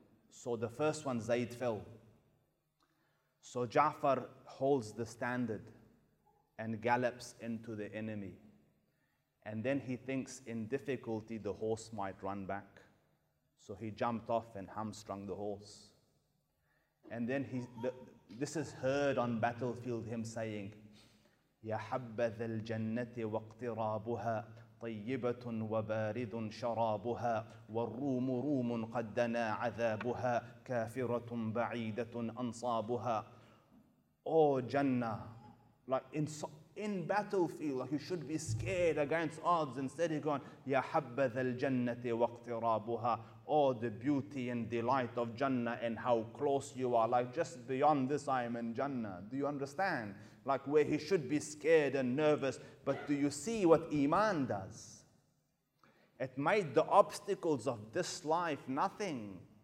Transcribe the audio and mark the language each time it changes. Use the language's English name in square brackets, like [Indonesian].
[English] So the first one, Zayd, fell. So Ja'far holds the standard and gallops into the enemy. And then he thinks in difficulty the horse might run back. So he jumped off and hamstrung the horse. And then this is heard on battlefield, him saying, [Arabic] يا حبذا الجنة واقترابها طيبة وبارد شرابها والروم روم قد دنا عذابها كافرة بعيدة أنصابها. [English] Oh Jannah, like in battlefield, like you should be scared against odds. Instead he going, [Arabic] يا حبذا الجنة واقترابها. [English] Oh the beauty and delight of Jannah and how close you are. Like just beyond this I am in Jannah. Do you understand? Like where he should be scared and nervous. But do you see what Iman does? It made the obstacles of this life nothing.